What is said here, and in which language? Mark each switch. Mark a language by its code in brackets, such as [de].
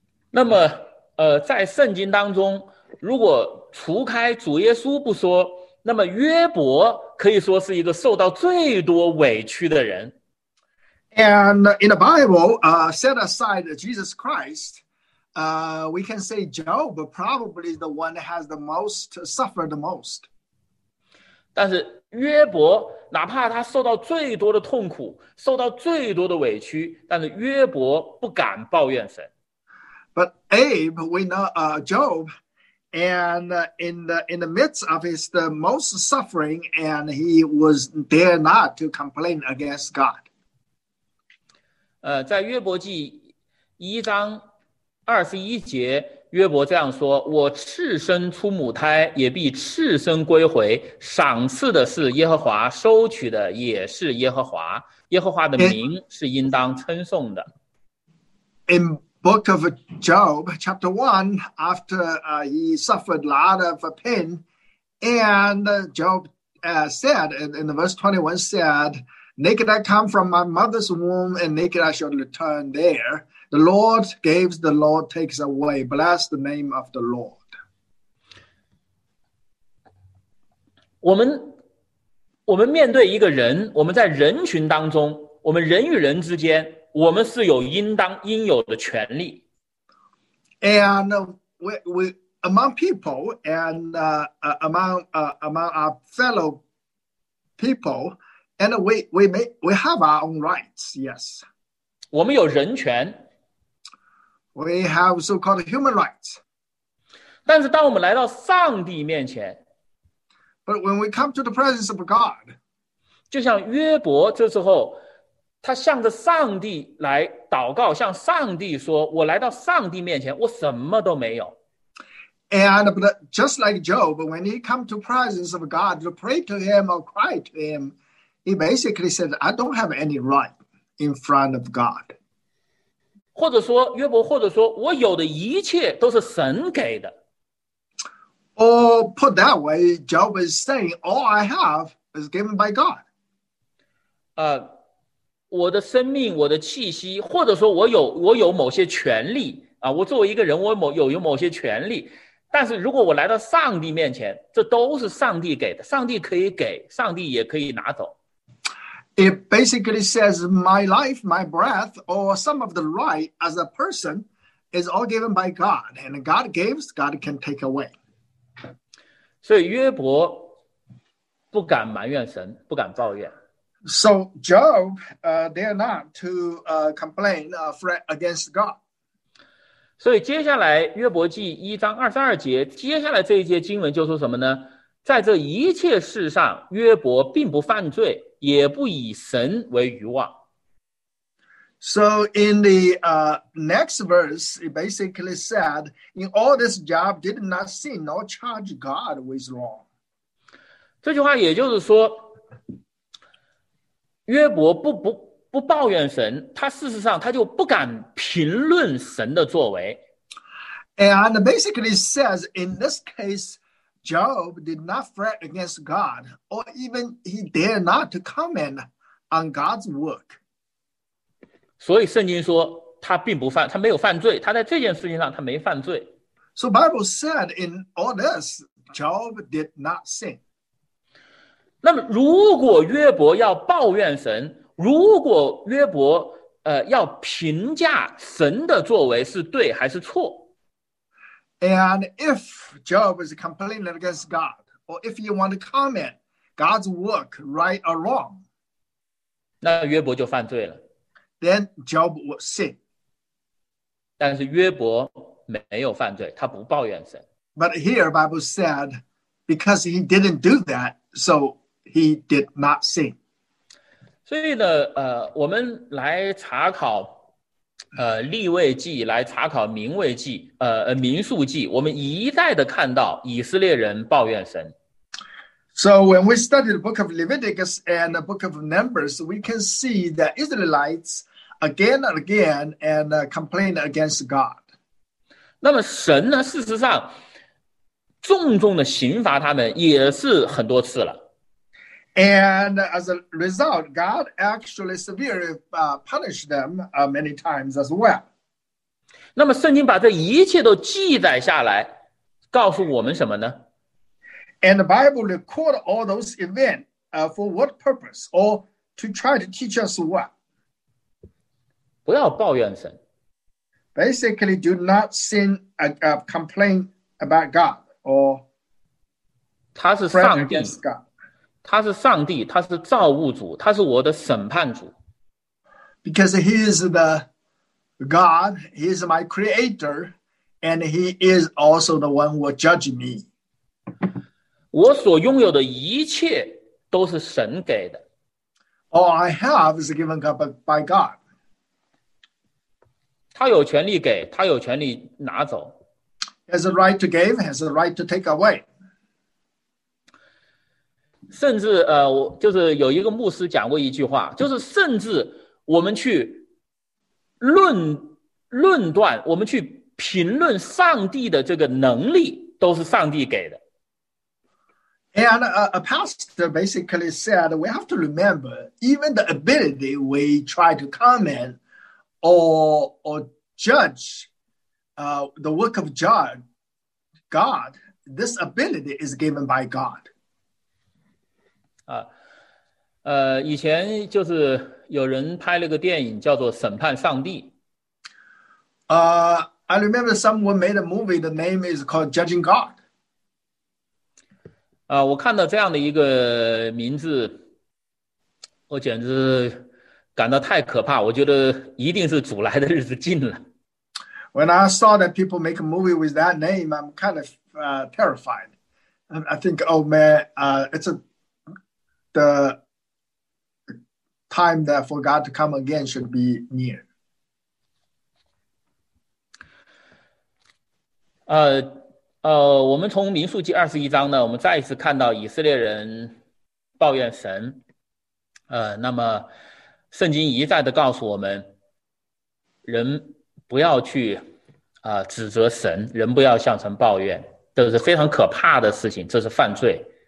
[zh] 那么在圣经当中，如果除开主耶稣不说那么约伯可以说是一个受到最多委屈的人。 [en] And in the Bible, set aside Jesus Christ, we can say Job probably is the one that has the most suffered the most. [zh] 但是约伯哪怕他受到最多的痛苦受到最多的委屈但是约伯不敢抱怨神。 [en] But Abe, we know Job,And in the midst of his the most suffering, and he was dare not to complain against God. [zh] 在约伯记一章二十一节，约伯这样说：“我赤身出母胎，也必赤身归回。赏赐的是耶和华，收取的也是耶和华。耶和华的名是应当称颂的。” [en] Book of Job, chapter 1, after he suffered a lot of pain, and Job said, in verse 21, said, Naked I come from my mother's womb, and naked I shall return there. The Lord gives, the Lord takes away. Bless the name of the Lord. [zh] 我们面对一个人，我们在人群当中，我们人与人之间，我们是有应当应有的权利。 [en] And we among people and among our fellow people, and we have our own rights. Yes, [zh] 我们有人权。 [en] We have so-called human rights. [zh] 但是当我们来到上帝面前 [en] ，But when we come to the presence of God, [zh] 就像约伯这时候，他向着上帝来祷告，向上帝说：“我来到上帝面前，我什么都没有。” [en] And but just like Job, when he come to presence of God to pray to Him or cry to Him, he basically said, "I don't have any right in front of God." [zh] 或者说约伯，或者说我有的一切都是神给的。 [en] Or put that way, Job is saying, "All I have is given by God." [zh] 我的生命，我的气息，或者说我有某些权利啊，我作为一个人，我有某些权利。但是如果我来到上帝面前，这都是上帝给的，上帝可以给，上帝也可以拿走。 [en] It basically says my life, my breath, or some of the right as a person is all given by God, and God gives, God can take away. [zh] 所以约伯不敢埋怨神，不敢抱怨。 [en] So Job, dare not to complain against God. [zh] 所以接下来约伯记一章二十二节，接下来这一节经文就说什么呢？在这一切事上，约伯并不犯罪，也不以神为愚妄。 [en] So in the next verse, it basically said, in all this Job did not sin nor charge God with wrong. [zh] 这句话也就是说，约伯不抱怨神，他事实上他就不敢评论神的作为。 [en] And basically says in this case, Job did not fret against God, or even he dared not to comment on God's work. [zh] 所以圣经说他并不犯，他没有犯罪，他在这件事情上他没犯罪。 [en] So Bible said in all this, Job did not sin. [zh] 那么如果约伯要抱怨神，如果约伯要评价神的作为是对还是错， [en] And if Job is complaining against God, or if you want to comment God's work right or wrong, [zh] 那约伯就犯罪了。 [en] Then Job will sin. [zh] 但是约伯没有犯罪，他不抱怨神。 [en] But here Bible said, because he didn't do that, soHe did not sin. [zh] 所以呢，我们来查考，立位记，来查考民位记，民数记，我们一再的看到以色列人抱怨神。 [en] So when we study the book of Leviticus and the book of Numbers, we can see that Israelites again and again and complain against God. [zh] 那么神呢，事实上重重的刑罚他们也是很多次了。 [en] And as a result, God actually severely punished them many times as well. [zh] 那么圣经把这一切都记载下来，告诉我们什么呢？ [en] And the Bible record all those events for what purpose? Or to try to teach us what? [zh] 不要抱怨神。 [en] Basically, do not sin, complain about God or pray against God. [zh] 他是上帝，他是造物主，他是我的审判主。 [en] Because he is the God, he is my creator, and he is also the one who will judge me. [zh] 我所拥有的一切都是神给的。 [en] All I have is given by God. [zh] 他有权利给，他有权利拿走。 [en] He has a right to give, has a right to take away. [zh] 甚至就是有一个牧师讲过一句话，就是甚至我们去论断，我们去评论上帝的这个能力，都是上帝给的。 [en] And a pastor basically said, we have to remember even the ability we try to comment or judge, the work of God, this ability is given by God. [zh] 以前就是有人拍了个电影叫做《审判上帝》。 [en] I remember someone made a movie, the name is called Judging God. [zh] 我看到这样的一个名字，我简直感到太可怕，我觉得一定是主来的日子近了。 [en] When I saw that people make a movie with that name, I'm kind of terrified. I think, oh man, it's the time that for God to come again should be near. [zh] 我们从民数记二十一章呢，我们再一次看到以色列人抱怨神。那么圣经一再的告诉我们，人不要去指责神，人不要向神抱怨，这是非常可怕的事情，这是犯罪。